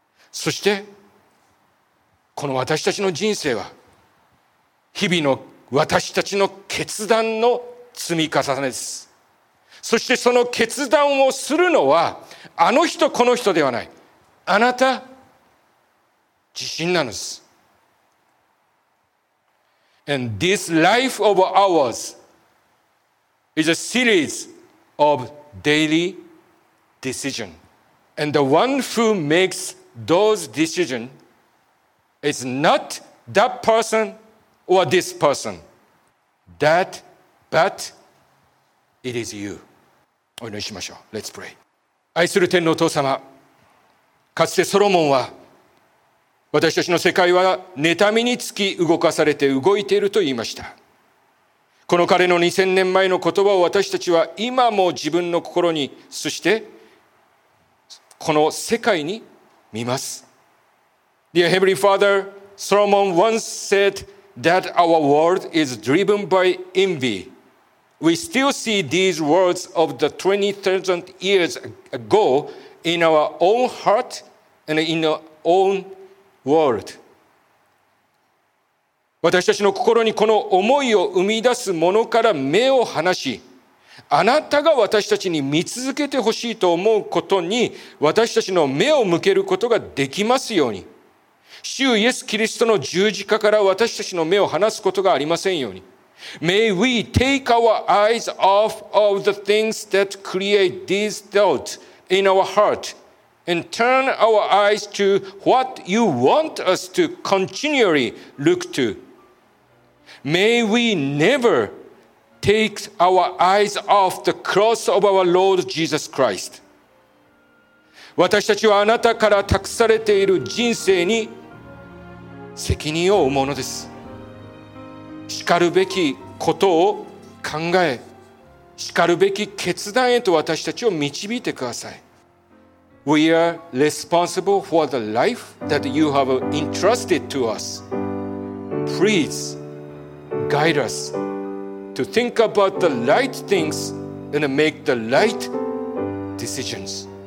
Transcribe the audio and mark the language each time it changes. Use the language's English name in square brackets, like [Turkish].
[Japanese] そしてこの私たちの人生は日々の私たちの決断の積み重ねです。そしてその決断をするのはあの人この人ではない、あなた自身なのです。 [English] And this life of ours is a series of daily decision, and the one who makes those decision is not that person or this person, that but it is you. [Japanese] お祈りしましょう。 [English] Let's pray. [Japanese] 愛する天のお父様、かつてソロモンは私たちの世界は妬みにつき動かされて動いていると言いました。この彼の2000年前の言葉を私たちは今も自分の心に、そしてこの世界に見ます。 [English] Dear Heavenly Father, Solomon once saidThat our world is driven by envy. We still see these words of the 20,000 years ago in our own heart and in our own world. [Japanese] 私たちの心にこの思いを生み出すものから目を離し、あなたが私たちに見続けてほしいと思うことに私たちの目を向けることができますように。主イエスキリストの十字架から私たちの目を離すことがありませんように。 [English] May we take our eyes off of the things that create these doubts in our heart and turn our eyes to what you want us to continually look to. May we never take our eyes off the cross of our Lord Jesus Christ. [Japanese] 私たちはあなたから託されている人生に責任を負うものです。しかるべきことを考え、しかるべき決断へと私たちを導いてください。 [English] We are responsible for the life that you have entrusted to us. Please guide us to think about the right things and make the right decisions.